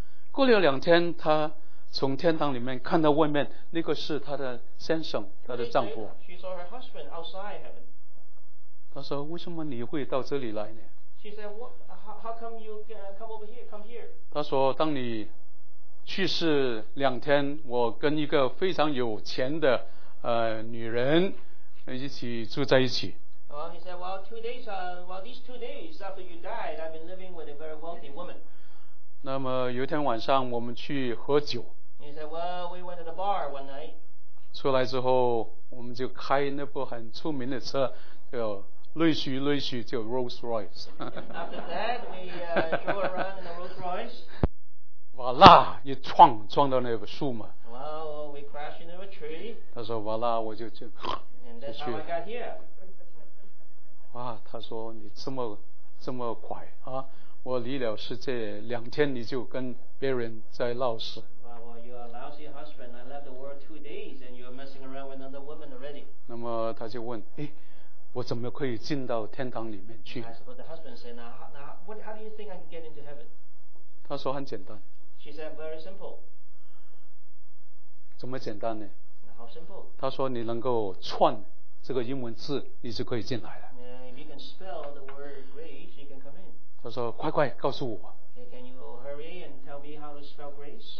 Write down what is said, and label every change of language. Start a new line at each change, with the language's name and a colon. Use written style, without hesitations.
Chinese: 过了两天他从天堂里面看到外面那个是他的先生他的丈夫
English: she saw her husband outside heaven.
Chinese: 他说为什么你会到这里来呢
English: She said, how come you come over here? Come here.
Chinese: 她说，当你去世两天，我跟一个非常有钱的女人一起住在一起。
English: He said, these 2 days after you died, I've been living with a very wealthy woman.
Chinese: 那么有一天晚上我们去喝酒。
English: He said, we went to the bar one night.
Chinese: 出来之后，我们就开那部很出名的车，叫瑞士瑞士，叫 Rolls Royce.
English: After that, we drove around in a Rolls Royce.
Chinese: 哇啦一撞撞到那个树嘛。
English: Well, we crashed into a tree.
Chinese: 他说哇啦我就去。
English: And that's how I got here.
Chinese: 哇他说你这么快啊，我离了世界两天你就跟别人在闹事。
English: Well, you're a lousy husband. I left the world 2 days and you're messing around with another woman already.
Chinese: 那么他就问，哎，我怎么可以进到天堂里面去？
English: I suppose the husband said, how do you think I can get into heaven?
Chinese: 他说很简单。
English: She said very simple.
Chinese: 怎么简单呢？
English: How simple?
Chinese: 他说你能够串这个英文字，你就可以进来了。
English: If you can spell the word grace, you can come in.
Chinese: 他说快快告诉我。
English: Can you hurry and tell me how to spell grace?